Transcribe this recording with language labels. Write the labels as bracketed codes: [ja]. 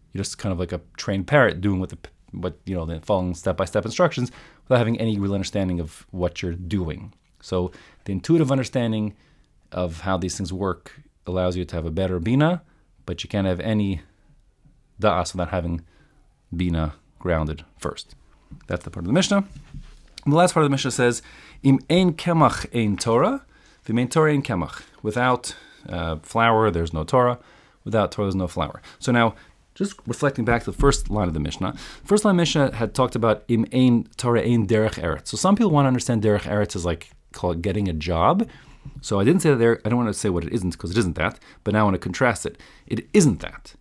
[en] You're just kind of like a trained parrot doing what following step-by-step instructions without having any real understanding of what you're doing. So the intuitive understanding of how these things work allows you to have a better bina, but you can't have any da'as without having bina grounded first. That's the part of the Mishnah. And the last part of the Mishnah says, [he] Im ein kemach ein Torah, v'im ein Torah ein kemach. [en] Without flour, there's no Torah. Without Torah, there's no flour. So now, just reflecting back to the first line of the Mishnah. The first line of the Mishnah had talked about Im ein Torah ein derech eretz. So some people want to understand derech eretz as like, call it getting a job. So I didn't say that there, I don't want to say what it isn't, because it isn't that, but now I want to contrast it. It isn't that.